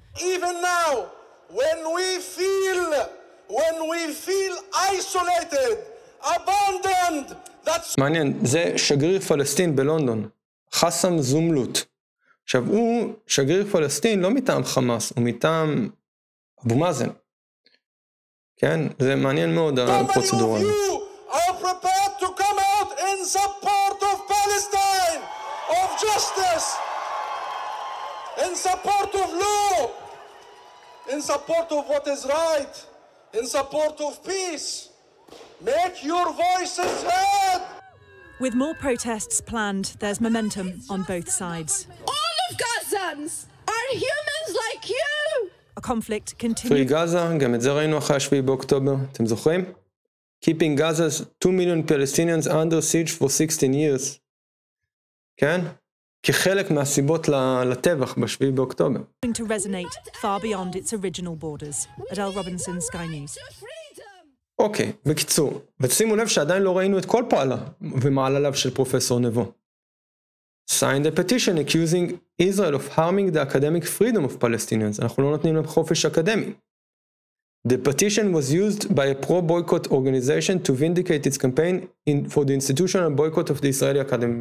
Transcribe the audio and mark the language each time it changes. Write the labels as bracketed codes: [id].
[en] Even now, when we feel isolated, abandoned, that's... [he] מעניין, זה שגריר פלסטין בלונדון, חסם זומלוט. עכשיו, הוא שגריר פלסטין לא מטעם חמאס, הוא מטעם אבו מאזן. כן? זה מעניין מאוד, הפרוצדורה. [en] How many of you are prepared to come out in support of Palestine, of justice, in support of law, in support of what is right, in support of peace? Make your voices heard. With more protests planned, there's momentum on both sides. All of Gazans are humans like you. A conflict continues. Free Gaza, [he] גם את זה ראינו אחרי השביעי באוקטובר, אתם זוכרים? [en] Keeping Gaza's 2 million Palestinians under siege for 16 years. כן? [he] כחלק מהסיבות לטבח בשביעי באוקטובר. [en] Going to resonate far beyond its original borders. Adele Robinson, Sky News. [he] אוקיי, בקיצור, ושימו לב שעדיין לא ראינו את כל פעלה ומעלליו של פרופסור נבו. [en] Signed a petition accusing Israel of harming the academic freedom of Palestinians. [he] אנחנו לא נותנים להם חופש אקדמי. [en] The petition was used by a pro-boycott organization to vindicate its campaign for the institutional boycott of the Israeli Academy.